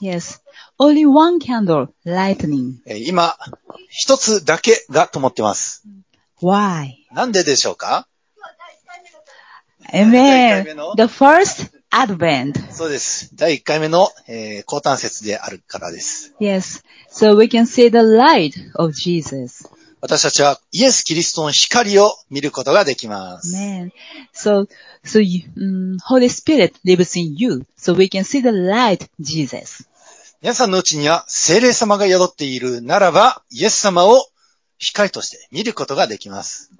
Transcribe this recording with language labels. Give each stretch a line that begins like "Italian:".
English: Mm, yes. Only one candle, lightning.
Japanese: 今、1つだけが灯ってます。
English: Why?
Japanese: なんででしょうか？
English: Amen. The first advent.
Japanese: そうです。第1回目の、高誕節であるからです。
English: Yes. So we can see the light of Jesus.
Japanese: 私たちはイエス・キリストの光を見ることができます。
English: Amen. So you, Holy Spirit lives in you, so we can see the light, Jesus.
Japanese: 皆さんのうちには聖霊様が宿っているならば、イエス様を光として見ることができます。